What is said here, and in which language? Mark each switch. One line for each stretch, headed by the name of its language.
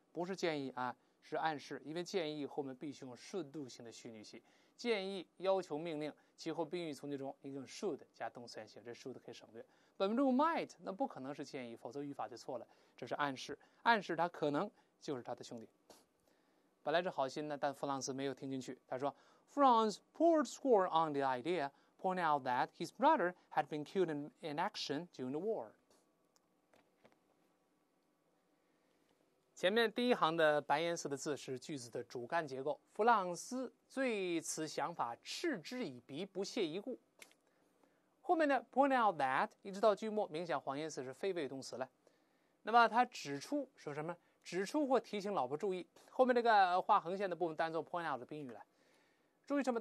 Chinese: 不是建议啊，是暗示。因为建议后面必须用 should 动词性的虚拟系，建议、要求、命令，其后宾语从句中应用 should 加动词原形，这 should 可以省略。本文中 might 那不可能是建议，否则语法就错了。这是暗示，暗示他可能就是他的兄弟。本来是好心的，但弗朗斯没有听进去。他说
English: ：“Franz poured score on the idea, pointing out that his brother had been killed in action during the war。”
Chinese: 前面第一行的白颜色的字是句子的主干结构。弗朗斯对此想法嗤之以鼻，不屑一顾。后面的 pointing out that 一直到句末，明显黄颜色是非谓语动词了。那么他指出说什么？指出或提醒老婆注意，后面这个画横线的部分当作 point out 的宾语了。注意什么？